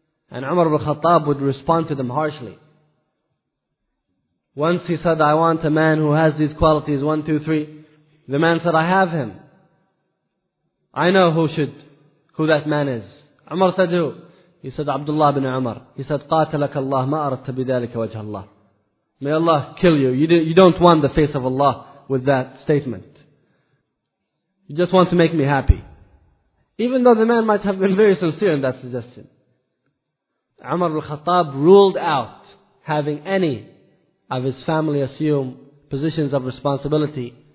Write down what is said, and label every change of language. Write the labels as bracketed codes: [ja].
[en] And Umar ibn Khattab would respond to them harshly. Once he said, I want a man who has these qualities, 1, 2, 3. The man said, I have him. I know who that man is. Umar said, who? He said, Abdullah ibn Umar. He said, [ar] قَاتَلَكَ اللَّهُ مَا أَرَدْتَ بِذَلِكَ وَجْهَ اللَّهِ. [en] May Allah kill you. You don't want the face of Allah with that statement. You just want to make me happy. Even though the man might have been very sincere in that suggestion. Umar al-Khattab ruled out having any of his family assume positions of responsibility.